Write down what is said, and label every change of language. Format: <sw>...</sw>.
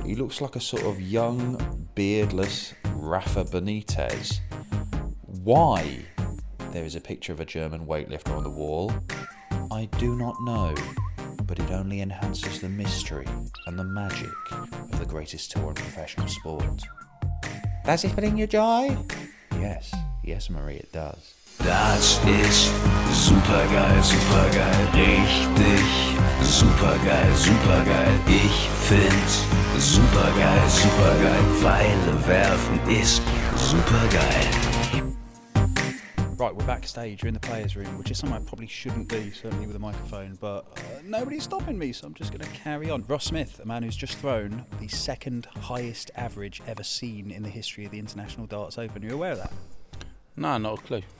<en>He looks like a sort of young, beardless Rafa Benitez. Why there is a picture of a German weightlifter on the wall, I do not know, but it only enhances the mystery and the magic of the greatest tour in professional sport. Does it bring you joy? Yes. Yes, Marie, it does.</en> <de>Das ist super geil, super geil, richtig super geil, super geil. Ich find super geil, super geil. Pfeile werfen ist super geil.</de> <en>Right, we're backstage, we're in the players' room, which is somewhere I probably shouldn't be, certainly with a microphone, but nobody's stopping me, so I'm just going to carry on. Ross Smith, a man who's just thrown the second highest average ever seen in the history of the International Darts Open. Are you aware of that? No, not a clue.</en>